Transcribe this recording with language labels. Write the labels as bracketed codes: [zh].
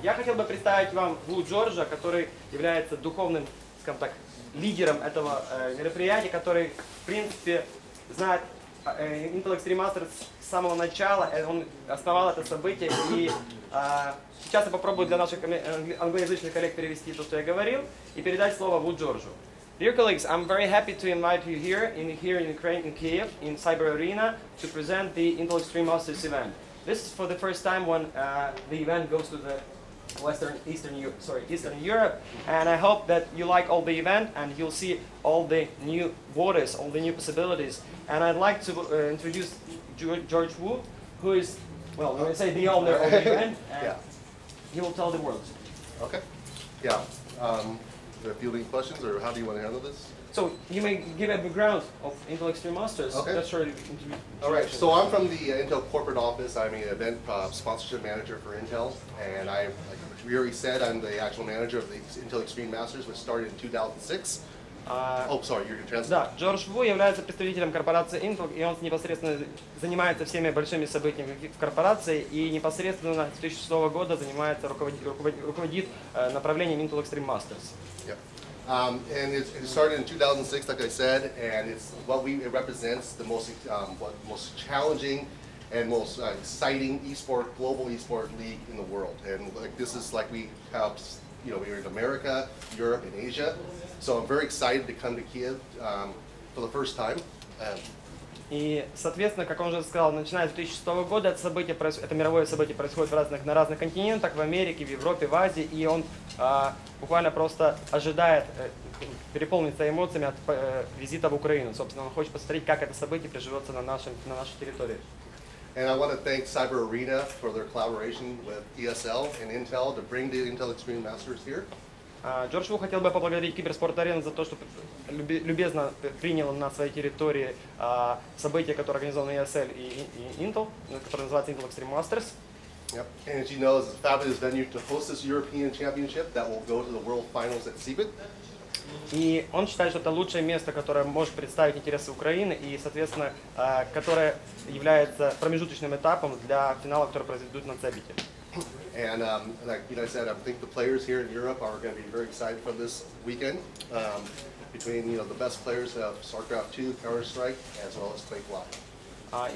[ru] Я хотел бы представить вам Лу Джорджа, который является духовным, скажем так, лидером этого мероприятия, который, в принципе, знает Intel Extreme Masters с самого начала, он основал это событие, и сейчас я попробую для наших англоязычных коллег перевести то, что я говорил, и передать слово Лу Джорджу. [en] Dear colleagues, I'm very happy to invite you here in Ukraine, in Kyiv, in Cyber Arena, to present the Intel Extreme Masters event. This is for the first time when the event goes to the Eastern Europe, and I hope that you like all the event and you'll see all the new waters, all the new possibilities. And I'd like to introduce George Wu, who is, well, let me say the owner of the event, and he will tell the world. Okay. Yeah. Do you have any questions, or how do you want to handle this? So you may give a background of Intel Extreme Masters. Okay. That's right. All right. So I'm from the Intel corporate office. I'm an event sponsorship manager for Intel, and I, like Riri said, I'm the actual manager of the Intel Extreme Masters, which started in 2006. You're going to translate. [ru] Да, Джордж Ву является представителем корпорации Intel, и он непосредственно занимается всеми большими событиями в корпорации, и непосредственно с 2006 года занимается руководит направлением Intel Extreme Masters. [en] Yeah. And it started in 2006, like I said, and it's what we it represents the most what most challenging and most exciting esport global esport league in the world. And like this is like we have you know, we were in America, Europe, and Asia. So I'm very excited to come to Kyiv for the first time. [ru] И, соответственно, как он уже сказал, начиная с 2006 года это мировое событие происходит на разных континентах, в Америке, в Европе, в Азии, и он буквально просто ожидает, переполнится эмоциями от визита в Украину. Собственно, он хочет посмотреть, как это событие приживется на нашей территории. [en] And I want to thank Cyber Arena for their collaboration with ESL and Intel to bring the Intel Extreme Masters here. [ru] Джордж Ву хотел бы поблагодарить Киберспорт Арену за то, что любезно принял на своей территории события, которые организованы ESL и Intel, которое называется Intel Extreme Masters. [en] Yep. And as you know, it's a fabulous venue to host this European Championship that will go to the World Finals at CeBIT. [ru] И он считает, что это лучшее место, которое может представить интересы Украины и, соответственно, которое является промежуточным этапом для финала, который произойдет на CeBIT. [en] And like I said, I think the players here in Europe are going to be very excited for this weekend between you know the best players of StarCraft II, Counter Strike, as well as Quake Live.